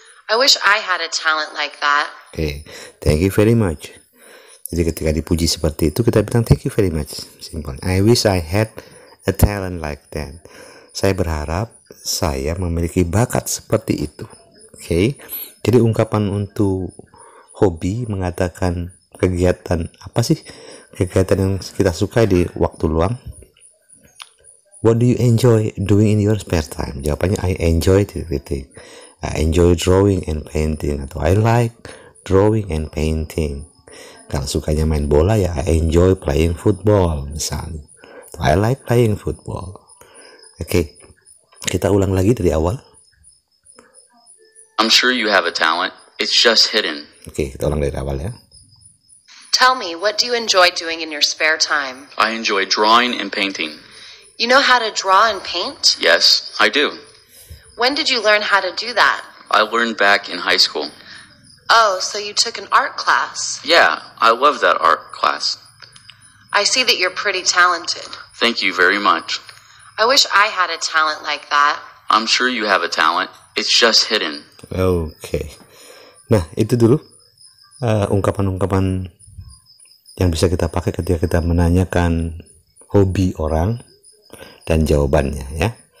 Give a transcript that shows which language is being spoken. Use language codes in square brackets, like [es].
[en] I wish I had a talent like that. Okay. Thank you very much. [id] Jadi ketika dipuji seperti itu, kita bilang [en] thank you very much. Simple. I wish I had a talent like that. [id] Saya berharap saya memiliki bakat seperti itu. Okay. Jadi ungkapan untuk hobi mengatakan kegiatan apa sih? Kegiatan yang kita sukai di waktu luang. [en] What do you enjoy doing in your spare time? Jawabannya I enjoy titik-titik. I enjoy drawing and painting. Atau I like drawing and painting. [id] Kalau sukanya main bola, ya, [en] I enjoy playing football misalnya. Atau, I like playing football. Okay. [id] Kita ulang lagi dari awal. [en] I'm sure you have a talent. It's just hidden. [id] Okay, kita ulang dari awal, ya. [en] Tell me, what do you enjoy doing in your spare time? I enjoy drawing and painting. You know how to draw and paint? Yes, I do. When did you learn how to do that? I learned back in high school. Oh, so you took an art class. Yeah, I love that art class. I see that you're pretty talented. Thank you very much. I wish I had a talent like that. I'm sure you have a talent. It's just hidden. Okay. [id] Nah, itu dulu ungkapan-ungkapan yang bisa kita pakai ketika kita menanyakan hobi orang dan jawabannya, ya.